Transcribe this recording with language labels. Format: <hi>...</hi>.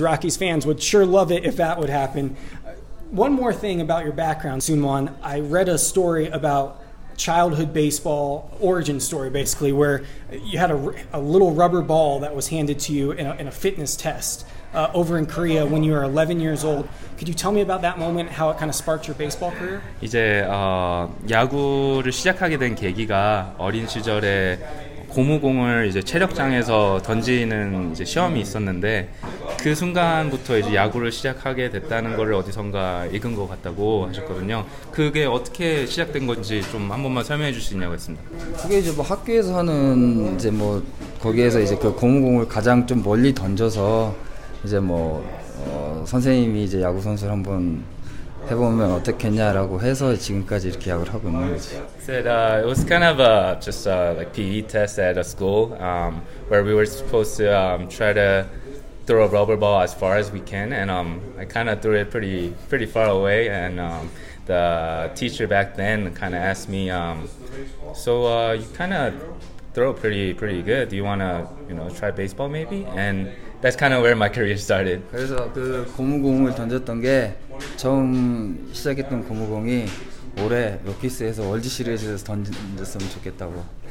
<en>Rockies fans would sure love it if that would happen. One more thing about your background, Soonwon. I read a story about childhood baseball origin story, basically, where you had a little rubber ball that was handed to you in a fitness test over in Korea when you were 11 years old. Could you tell me about that moment, how it kind of sparked your baseball career?</en> <ko>이제 야구를 시작하게 된 계기가 어린 시절에 고무공을 이제 체력장에서 던지는 이제 시험이 있었는데 그 순간부터 이제 야구를 시작하게 됐다는 거를 어디선가 읽은 것 같다고 하셨거든요. 그게 어떻게 시작된 건지 좀 한 번만 설명해 줄 수 있냐고 했습니다. 그게 이제 뭐 학교에서 하는 이제 뭐 거기에서 이제 그 고무공을 가장 좀 멀리 던져서 이제 뭐 선생님이 이제 야구 선수를 한번 해보면 어떻겠냐라고 해서 지금까지 이렇게 약을 하고 있는 거지.</ko> <en>Said it was kind of a just a, like PE test at a school where we were supposed to try to throw a rubber ball as far as we can, and I kind of threw it pretty far away, and the teacher back then kind of asked me, you kind of throw pretty good. Do you want to, you know, try baseball maybe? And that's kind of where my career started.</en> <ko>그래서 그 고무공을 던졌던 게 처음 시작했던 고무공이 올해 로키스에서 월드 시리즈에서 던졌으면 좋겠다고.</ko>